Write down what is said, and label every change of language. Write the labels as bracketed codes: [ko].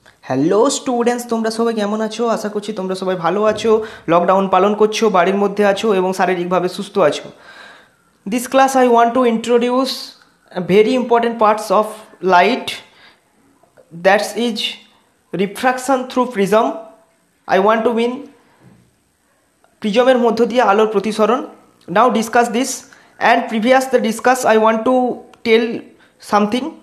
[en] Hello students, [bn] তোমরা সবাই কেমন আছো? আশা করছি তোমরা সবাই ভালো আছো, লকডাউন পালন করছো, বাড়ির মধ্যে আছো এবং শারীরিকভাবে সুস্থ আছো. [en] This class I want to introduce very important parts of light, that is refraction through prism. I want to mean [bn] prism-এর মধ্য দিয়ে আলোর প্রতিসরণ. [en] Now discuss this. And previous the discuss, I want to tell something.